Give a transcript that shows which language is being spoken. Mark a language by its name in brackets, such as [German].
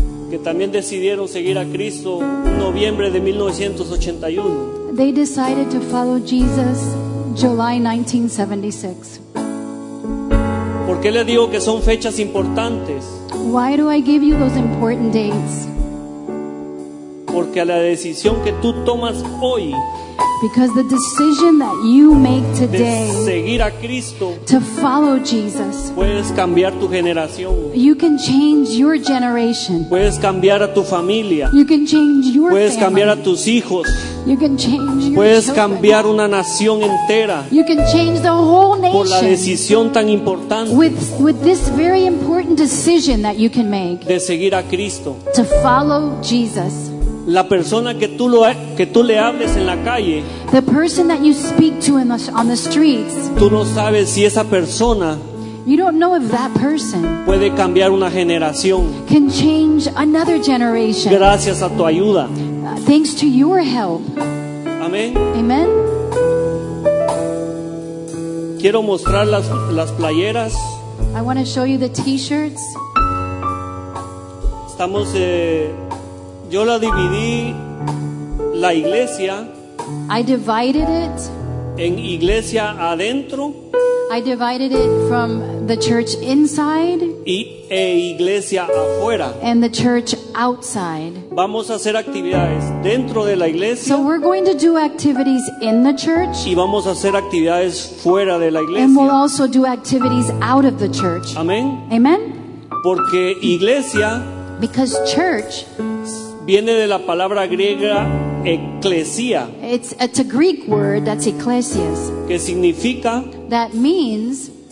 [Spanish] Que también decidieron seguir a Cristo en noviembre de 1981. [English] They decided to follow Jesus July 1976. [Spanish] ¿Por qué le digo que son fechas importantes? [English] Why do I give you those important dates? [Spanish] Porque a la decisión que tú tomas hoy, [English] because the decision that you make today, [Spanish] de seguir a Cristo, [English] to follow Jesus, [Spanish] puedes cambiar tu generación. [English] You can change your generation. [Spanish] Puedes cambiar a tu familia. [English] You can change your [Spanish] puedes [English] family. [Spanish] Cambiar a tus hijos. [English] You can change your [Spanish] puedes [English] children. [Spanish] Cambiar una nación entera. [English] You can change the whole nation. [Spanish] Por la decisión tan importante. [English] With this very important decision that you can make. [Spanish] De seguir a Cristo. [English] To follow Jesus. [Spanish] La persona que tú lo que tú le hables en la calle. [English] The person that you speak to in the, on the streets. [Spanish] Tú no sabes si esa persona. [English] You don't know if that person [Spanish] puede cambiar una generación. [English] Can change another generation. [Spanish] Gracias a tu ayuda. [English] Thanks to your help. [Spanish] Amén. [English] Amen. [Spanish] Quiero mostrar las playeras. [English] I want to show you the t-shirts. [Spanish] Estamos yo la dividí la iglesia. [English] I divided it. [Spanish] En iglesia adentro. [English] I divided it from the church inside. [Spanish] Y iglesia afuera. [English] And the church outside. [Spanish] Vamos a hacer actividades dentro de la iglesia. [English] So we're going to do activities in the church. [Spanish] Y vamos a hacer actividades fuera de la iglesia. [English] And we'll also do activities out of the church. [Spanish] Amén. [English] Amen. [Spanish] Porque iglesia. [English] Because church. [Spanish] Viene de la palabra griega eclesia. [English] It's a Greek word that's eklesias. [Spanish] Que significa. [English] That means.